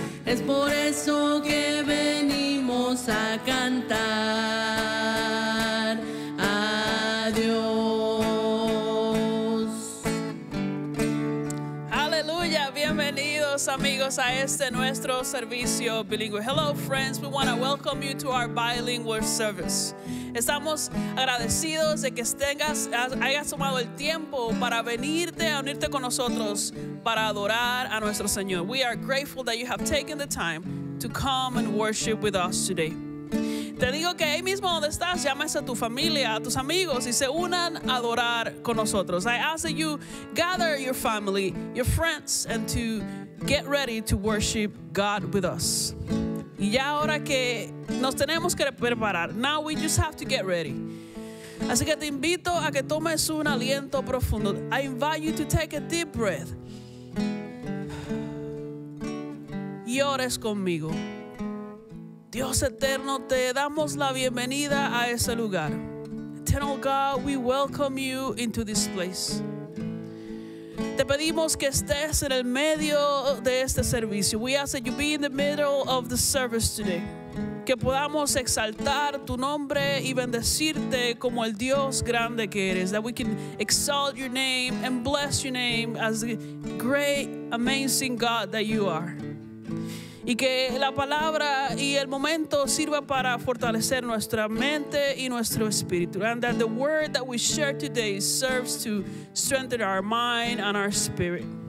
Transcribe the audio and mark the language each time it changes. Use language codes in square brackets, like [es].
[es] Es por eso que venimos a cantar a Dios. Aleluya, bienvenidos amigos a este nuestro servicio bilingüe. [en] Hello friends, we want to welcome you to our bilingual service. [es] Estamos agradecidos de que hayas tomado el tiempo para venirte a unirte con nosotros para adorar a nuestro Señor. [en] We are grateful that you have taken the time to come and worship with us today. [es] Te digo que ahí mismo donde estás, llames a tu familia, a tus amigos y se unan a adorar con nosotros. [en] I ask that you gather your family, your friends, and to get ready to worship God with us. [es] Y ya ahora que nos tenemos que preparar, [en] now we just have to get ready. [es] Así que te invito a que tomes un aliento profundo. [en] I invite you to take a deep breath. [es] Y ores conmigo. Dios eterno, te damos la bienvenida a ese lugar. [en] Eternal God, we welcome you into this place. [es] Te pedimos que estés en el medio de este servicio. [en] We ask that you be in the middle of the service today. [es] Que podamos exaltar tu nombre y bendecirte como el Dios grande que eres. [en] That we can exalt your name and bless your name as the great, amazing God that you are. [es] Y que la palabra y el momento sirva para fortalecer nuestra mente y nuestro espíritu. [en] And that the word that we share today serves to strengthen our mind and our spirit.